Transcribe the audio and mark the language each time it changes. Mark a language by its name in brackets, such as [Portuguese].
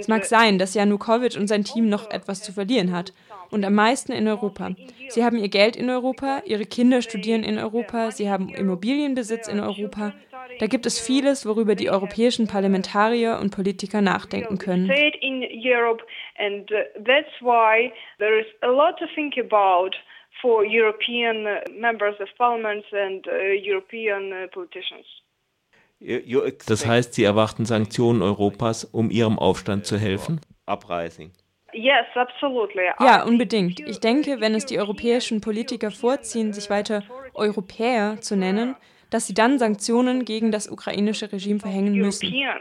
[German] es mag sein, dass Yanukovych und sein Team noch etwas zu verlieren hat, und am meisten in Europa. Sie haben ihr Geld in Europa, ihre Kinder studieren in Europa, sie haben Immobilienbesitz in Europa. Da gibt es vieles, worüber die europäischen Parlamentarier und Politiker nachdenken können. [English] In Europe, and that's why there is a lot to think about for European members of parliaments and European politicians. [German] Das heißt, Sie erwarten Sanktionen Europas, um Ihrem Aufstand zu helfen? [English] Uprising. Yes, absolutely. [German] Ja, unbedingt. Ich denke, wenn es die europäischen Politiker vorziehen, sich weiter Europäer zu nennen, dass sie dann Sanktionen gegen das ukrainische Regime verhängen müssen.